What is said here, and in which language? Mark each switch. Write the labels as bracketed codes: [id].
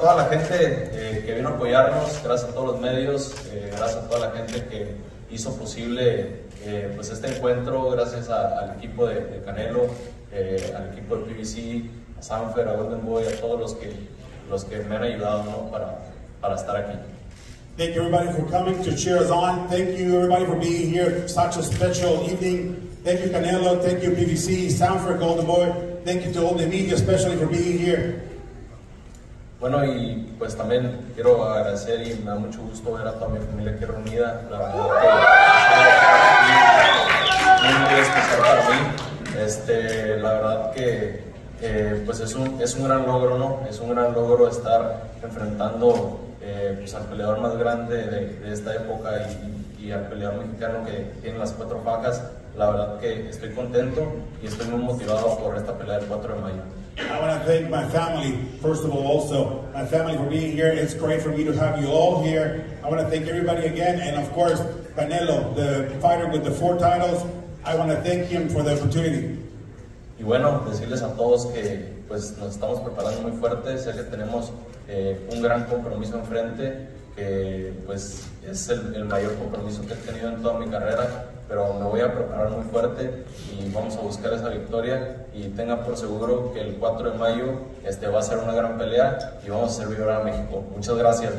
[es] Gente que vino a apoyarnos, gracias a todos los medios, gracias a toda la gente que hizo posible pues este encuentro, gracias al equipo de Canelo, al equipo de PBC, a Sanfer, a Golden Boy, a todos los que me han ayudado, ¿no? para estar aquí. [en] Thank you everybody for coming to cheer us on. Thank you everybody for being here, such a special evening. Thank you Canelo, thank you PBC, Sanfer, Golden Boy, thank you to all the media especially for being here. [es] Bueno, y pues también quiero agradecer, y me da mucho gusto ver a toda mi familia aquí reunida. La verdad que es muy especial para mí. La verdad que pues es un gran logro, ¿no? Es un gran logro estar enfrentando pues al peleador más grande de esta época y al peleador mexicano que tiene las cuatro facas. La verdad que estoy contento y estoy muy motivado por esta pelea del 4 de mayo. [en] I want to thank my family, first of all, also. My family for being here. It's great for me to have you all here. I want to thank everybody again. And, of course, Canelo, the fighter with the four titles. I want to thank him for the opportunity. [es] Y bueno, decirles a todos que pues nos estamos preparando muy fuerte. Sé que tenemos un gran compromiso enfrente, que pues es el mayor compromiso que he tenido en toda mi carrera. Pero me voy a preparar muy fuerte y vamos a buscar esa victoria, y tenga por seguro que el 4 de mayo va a ser una gran pelea y vamos a hacer vibrar a México. Muchas gracias.